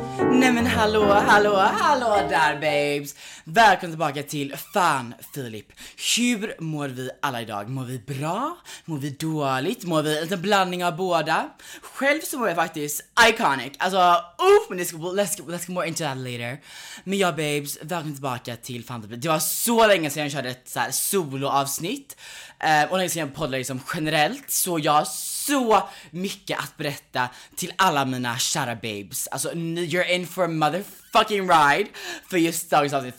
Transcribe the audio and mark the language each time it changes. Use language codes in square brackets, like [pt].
[sv] Nej men hallå, hallå, hallå där babes. Välkomna tillbaka till Fan Filip. Hur mår vi alla idag? Mår vi bra? Mår vi dåligt? Mår vi en blandning av båda? Själv så mår jag faktiskt iconic. Alltså, oof, men [en] let's get more into that later. [sv] Men ja babes, välkomna tillbaka till Fan Filip. Det var så länge sedan jag körde ett så här soloavsnitt. Och länge sedan jag poddade liksom generellt. Så jag så mycket att berätta till alla mina kära babes. Alltså, [en] you're in for a motherfucking ride [sv] för just dagens avsnitt.